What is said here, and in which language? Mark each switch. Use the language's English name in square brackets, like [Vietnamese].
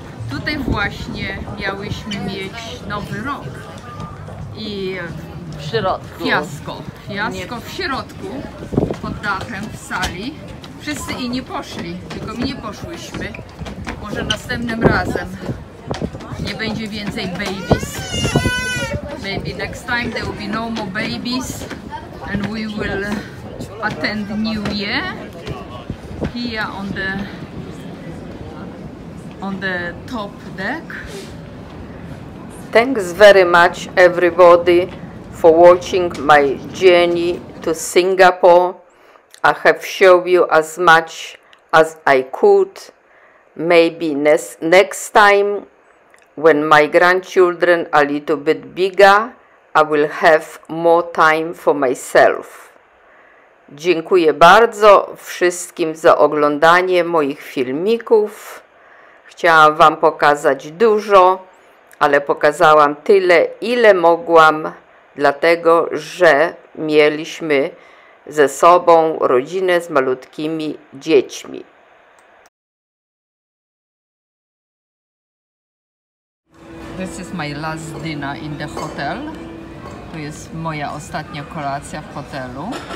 [Polish] Tutaj właśnie miałyśmy mieć nowy rok. I w środku. Fiasko w środku, pod dachem, w sali. Wszyscy inni poszli, tylko my nie poszłyśmy. Może następnym razem nie będzie więcej babies. [English] Maybe next time there will be no more babies and we will attend New Year here on the top deck. Thanks very much everybody for watching my journey to Singapore. I have shown you as much as I could. Maybe next time, when my grandchildren are a little bit bigger, I will have more time for myself. [Polish] Dziękuję bardzo wszystkim za oglądanie moich filmików. Chciałam wam pokazać dużo, ale pokazałam tyle, ile mogłam, dlatego, że mieliśmy ze sobą rodzinę z malutkimi dziećmi. [English] This is my last dinner in the hotel. [Polish] To jest moja ostatnia kolacja w hotelu.